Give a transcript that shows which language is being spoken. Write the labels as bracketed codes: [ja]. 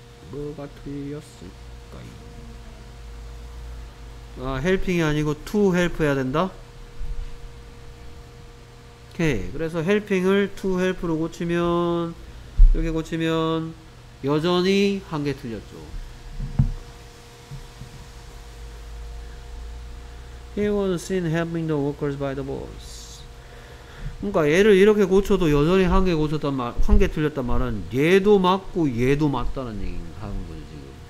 [ko] 뭐가 틀렸을까요? 아, 헬핑이 아니고 to help 해야 된다? 오케이. 그래서 헬핑을 to help로 고치면, 이렇게 고치면 여전히 한 개 틀렸죠. [en] He was seen helping the workers by the boss. [ko] 그러니까 얘를 이렇게 고쳐도 여전히 한 개 고쳤단 말, 한 개 틀렸단 말은 얘도 맞고 얘도 맞다는 얘기 하는 거죠 지금.